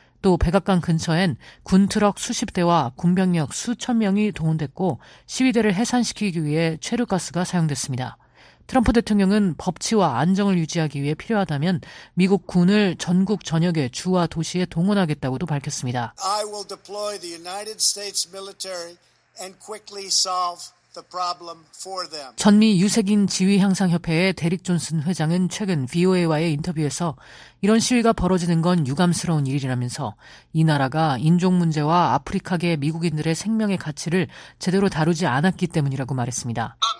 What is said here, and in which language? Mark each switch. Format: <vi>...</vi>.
<ko>또 백악관 근처엔 군 트럭 수십 대와 군병력 수천 명이 동원됐고 시위대를 해산시키기 위해 최루가스가 사용됐습니다. 트럼프 대통령은 법치와 안정을 유지하기 위해 필요하다면 미국 군을 전국 전역의 주와 도시에 동원하겠다고도 밝혔습니다.</ko> <en>I will deploy the United States military and quickly solve the problem for them.</en> <ko>전미 유색인 지휘향상협회의 데릭 존슨 회장은 최근 VOA와의 인터뷰에서 이런 시위가 벌어지는 건 유감스러운 일이라면서 이 나라가 인종 문제와 아프리카계 미국인들의 생명의 가치를 제대로 다루지 않았기 때문이라고 말했습니다.</ko>